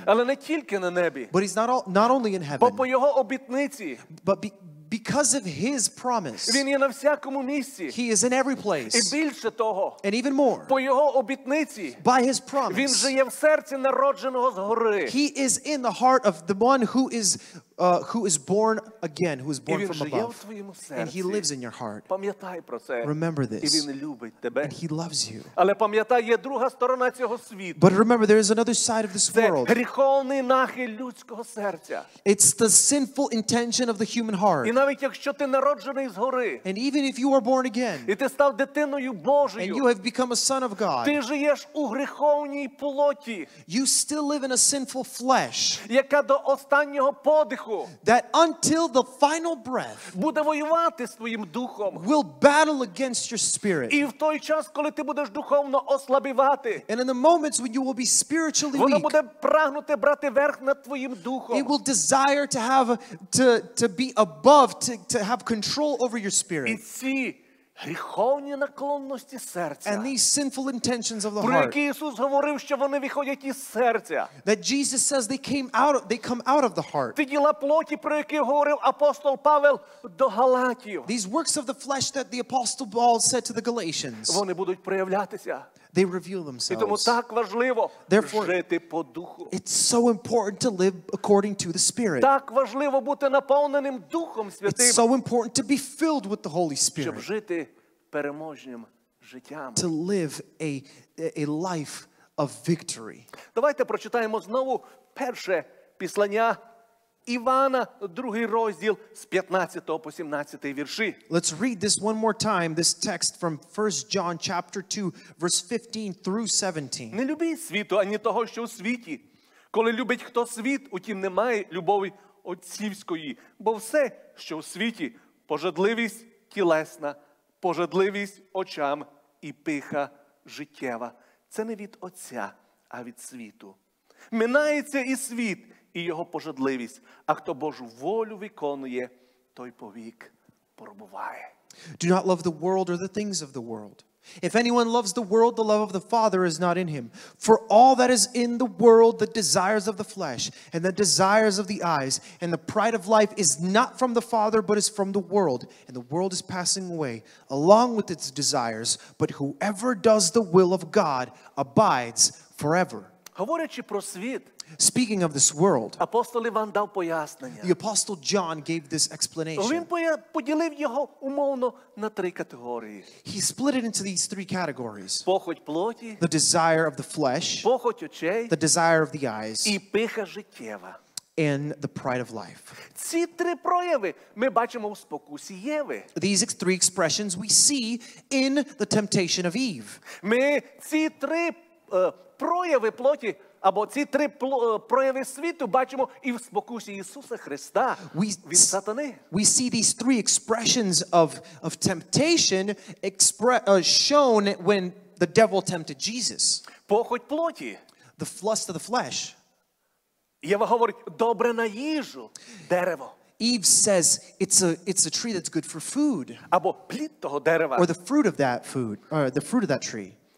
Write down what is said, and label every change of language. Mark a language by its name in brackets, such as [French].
[Ukrainian] але не тільки на небі, [English] but he's not only in heaven, [Ukrainian] бо по його обітниці, [English] but because of his promise, [Ukrainian] він є на всякому місці, [English] he is in every place, [Ukrainian] і більше того, [English] and even more, [Ukrainian] по його обітниці, [English] by his promise, [Ukrainian] він же є в серці народженого згори, [English] he is in the heart of the one who is born again, who is born from above, and he lives in your heart. [Ukrainian] Пам'ятай про це. [English] Remember this. [Ukrainian] І він любить тебе. [English] And he loves you. [Ukrainian] Але пам'ятай, є друга сторона цього світу. [English] But remember, there is another side of this [Ukrainian] це [English] world. [Ukrainian] Це гріховний нахил людського серця. [English] It's the sinful intention of the human heart. [Ukrainian] І навіть якщо ти народжений згори, [English] and even if you are born again, [Ukrainian] і ти став дитиною Божою, [English] and you have become a son of God, [Ukrainian] ти живеш у гріховній плоті, [English] you still live in a sinful flesh, [Ukrainian] яка до останнього подиху [English] that until the final breath [Ukrainian] буде воювати з твоїм духом, [English] will battle against your spirit. [Ukrainian] І в той час, коли ти будеш духовно ослабівати, [English] and in the moments when you will be spiritually [Ukrainian] воно [English] weak, [Ukrainian] воно буде прагнути брати верх над твоїм духом. [English] It will desire to have to be above, to have control over your spirit. [Ukrainian] І ці гріховні наклонності серця, [English] and these sinful intentions of the [Ukrainian] про [English] heart, [Ukrainian] які Ісус говорив, що вони виходять із серця, [English] that Jesus says they come out of the heart. [Ukrainian] Ті діла плоті, про які говорив апостол Павел до Галатів, [English] these works of the flesh that the apostle Paul said to the Galatians, [Ukrainian] вони будуть проявлятися. [English] They reveal themselves. [Ukrainian] І тому так важливо [English] therefore, [Ukrainian] жити по духу. [English] It's so important to live according to the Spirit. [Ukrainian] Так важливо бути наповненим Духом Святим. [English] It's so important to be filled with the Holy Spirit. [Ukrainian] Щоб жити переможнім життям. [English] To live a life of victory. [Ukrainian] Давайте прочитаємо знову перше післання Івана, другий розділ, з 15 по 17 вірші. [English] Let's read this one more time, this text from 1 John chapter 2, verse 15 through 17. [Ukrainian] Не любіть світу, ані того, що у світі. Коли любить хто світ, утім немає любові отцівської. Бо все, що у світі, пожадливість тілесна, пожадливість очам і пиха життєва. Це не від отця, а від світу. Минається і світ, і його пожадливість, а хто Божу волю виконує, той повік пробуває. [English] Do not love the world or the things of the world. If anyone loves the world, the love of the Father is not in him. For all that is in the world, the desires of the flesh and the desires of the eyes and the pride of life is not from the Father, but is from the world. And the world is passing away along with its desires, but whoever does the will of God abides forever. [Ukrainian] Говорячи про світ, [English] Speaking of this world, [Ukrainian] апостол Іван дав пояснення. [English] The apostle John gave this explanation. [Ukrainian] Він поділив його умовно на три категорії. [English] He split it into these three categories. [Ukrainian] Похоть плоті, [English] the desire of the flesh, [Ukrainian] похоть очей, [English] the desire of the eyes, [Ukrainian] і пиха життєва. [English] And the pride of life. [Ukrainian] Ці три прояви ми бачимо у спокусі Єви. [English] These three expressions we see in the temptation of Eve. [Ukrainian] Ми ці три прояви плоті або ці три прояви світу бачимо і в спокусі Ісуса Христа від сатани. [English] We see these three expressions of temptation shown when the devil tempted Jesus. [Ukrainian] Похоть плоті. [English] The lust of the flesh. [Ukrainian] Єва говорить: добре на їжу дерево. [English] Eve says it's a tree that's good for food. [Ukrainian] Або плід того дерева. [English] Or the fruit of that food, or the fruit of that tree.